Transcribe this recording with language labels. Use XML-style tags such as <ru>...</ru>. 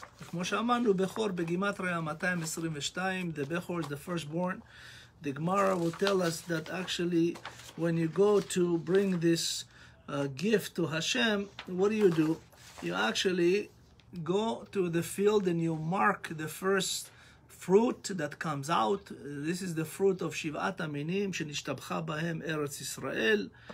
<he>כמו שאמרנו, בכור בגימטריה 222,</he> <en>the בכור is the firstborn. The Gemara will tell us that actually when you go to bring this gift to Hashem, what do? You actually go to the field and you mark the first fruit that comes out. This is the fruit of</en> <he>שבעת המינים שנשתבחה בהם ארץ ישראל.</he>